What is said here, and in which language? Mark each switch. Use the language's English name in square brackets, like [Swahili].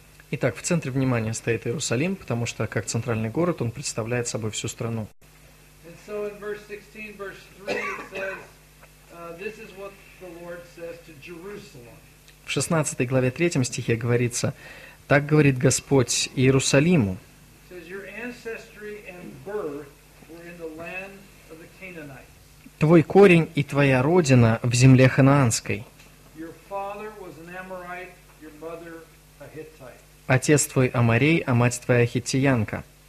[Russian] Итак, в центре внимания стоит Иерусалим, потому что как центральный город он представляет собой всю страну. [English] So in verse 16, verse 3, it says, this is what the Lord says to Jerusalem. [Russian] В 16 главе 3 стихе говорится, так говорит Господь Иерусалиму. [English] It says, your ancestry and birth were in the land of the Canaanites. [Russian] Твой корень и твоя родина в земле Ханаанской. [English] Your father was an Amorite, your mother a Hittite. [Russian] Отец твой Аморей, а мать твоя Хиттиянка.